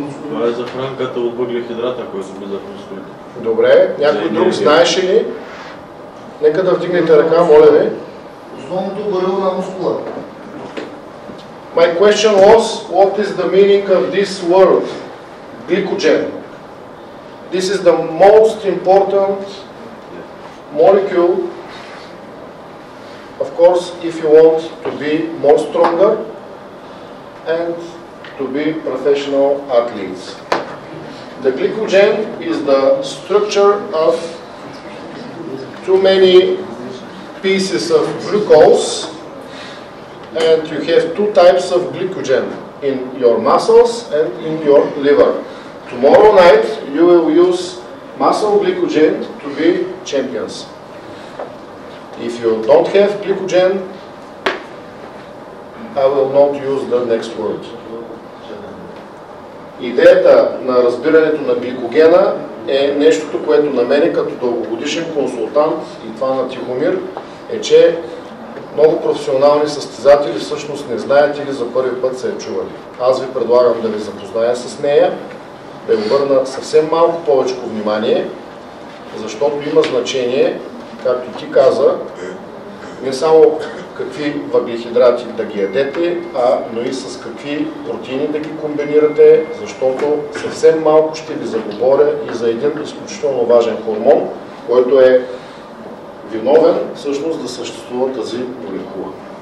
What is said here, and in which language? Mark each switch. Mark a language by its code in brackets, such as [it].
[bg] Това е за хранката от въглехидрата, който се бъде за хранството. Добре, някой друг знаеш ли? Нека да вдигнете ръка, моля ви. Основното гориво на мускула. [en] My question was, what is the meaning of this word? Glycogen. This is the most important molecule. Of course, if you want to be more stronger and to be professional athletes. The glycogen is the structure of too many pieces of glucose, and you have two types of glycogen in your muscles and in your liver. Tomorrow night you will use muscle glycogen to be champions. If you don't have glycogen, I will not use the next word. [bg] Идеята на разбирането на гликогена е нещото, което на мен като дългогодишен консултант и това на Тихомир е, че много професионални състезатели всъщност не знаят или за първи път се е чували. Аз ви предлагам да ви запозная с нея, да им върна съвсем малко повече внимание, защото има значение, както ти каза, не само какви въглехидрати да ги ядете, но и с какви протеини да ги комбинирате, защото съвсем малко ще ви заговоря и за един изключително важен хормон, който е виновен всъщност да съществува тази молекула.